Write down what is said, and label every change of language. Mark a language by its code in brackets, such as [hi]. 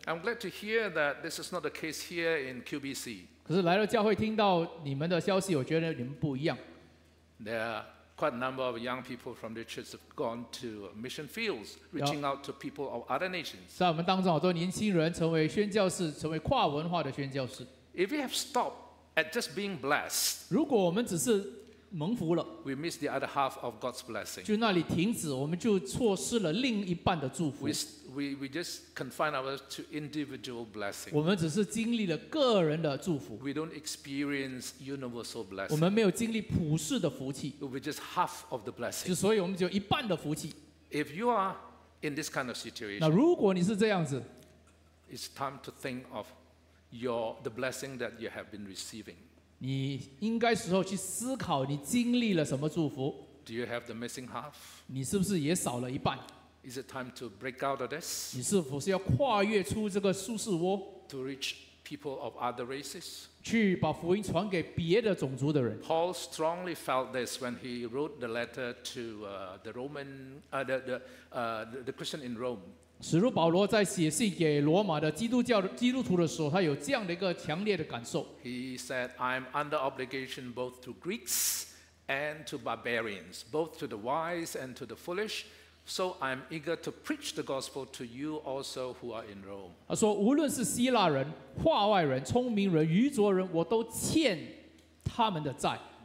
[en] I'm glad to hear that this is not the case here in QBC. [zh] 可是来到教会听到你们的消息，我觉得你们不一样。 [en] There are quite a number of young people from the church have gone to mission fields, reaching out to people of other nations. [zh] 在我们当中，好多年轻人成为宣教士，成为跨文化的宣教士。 [en] If we have stopped at just being blessed, [zh] 如果我们只是蒙福了， [en] we miss the other half of God's blessing. [zh] 就那里停止，我们就错失了另一半的祝福。 [en] We just confine ourselves to individual blessing. [zh] 我们只是经历了个人的祝福。 [en] We don't experience universal blessing. [zh] 我们没有经历普世的福气。 [en] We just half of the blessing. [zh] 所以我们只有一半的福气。 [en] If you are in this kind of situation, [zh] 那如果你是这样子， [en] it's time to think of the blessing that you have been receiving. [zh] 你应该时候去思考你经历了什么祝福。 [en] Do you have the missing half? [zh] 你是不是也少了一半？ [en] Is it time to break out of this? [zh] 你是否是要跨越出这个舒适窝？ [en] To reach people of other races? [zh] 去把福音传给别的种族的人？ [en] Paul strongly felt this when he wrote the letter to the Christian in Rome. [zh] 使徒保罗在写信给罗马的基督徒的时候，他有这样的一个强烈的感受。 [en] He said, "I'm under obligation both to Greeks and to barbarians, both to the wise and to the foolish." So I'm eager to preach the gospel to you also who are in Rome. [zh] 他说，无论是希腊人、化外人、聪明人、愚拙人，我都欠他们的债。